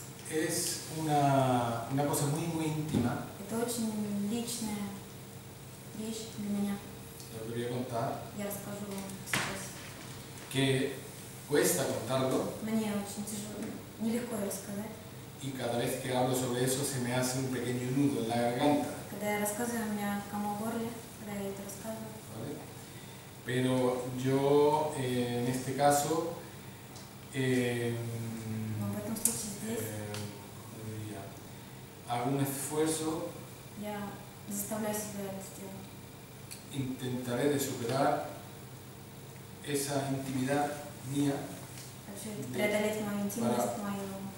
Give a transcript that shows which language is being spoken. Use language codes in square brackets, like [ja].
[es] Es una cosa muy muy íntima. [ru] Это очень личная вещь для меня. [es] Я lo voy a contar. [ru] Я расскажу вам сейчас. [es] Que cuesta contarlo. [ru] Мне очень тяжело. Нелегко рассказать. [es] И cada vez que hablo sobre eso se me hace un pequeño nudo en la garganta. [ru] Когда я рассказываю, у меня комок в горле, когда я это рассказываю. [es] Vale. Pero yo en este caso [ru] в этом случае здесь [es] я hago un esfuerzo. [ru] Я заставляю себя это сделать. [es] Intentaré de superar esa intimidad mía. [ru] Преодолеть мою интимность, мою...